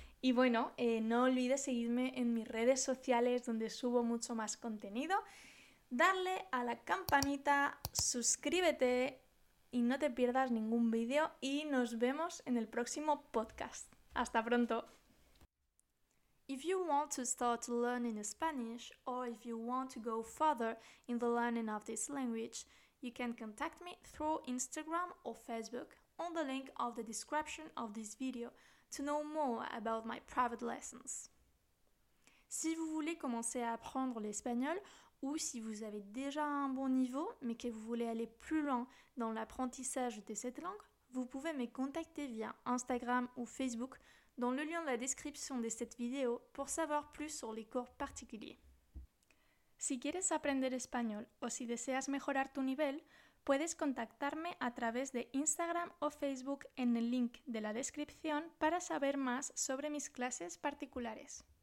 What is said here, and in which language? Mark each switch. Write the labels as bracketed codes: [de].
[es] Y bueno, no olvides seguirme en mis redes sociales donde subo mucho más contenido. Dale a la campanita, suscríbete y no te pierdas ningún vídeo y nos vemos en el próximo podcast. ¡Hasta pronto! [en] If you want to start learning Spanish or if you want to go further in the learning of this language, you can contact me through Instagram or Facebook on the link of the description of this video. To know more about my private lessons. [fr] Si vous voulez commencer à apprendre l'espagnol, Ou si vous avez déjà un bon niveau, mais que vous voulez aller plus loin dans l'apprentissage de cette langue, vous pouvez me contacter via Instagram ou Facebook dans le lien de la description de cette vidéo pour savoir plus sur les cours particuliers. [es] Si quieres aprender español o si deseas mejorar tu nivel, puedes contactarme a través de Instagram o Facebook en el link de la descripción para saber más sobre mis clases particulares.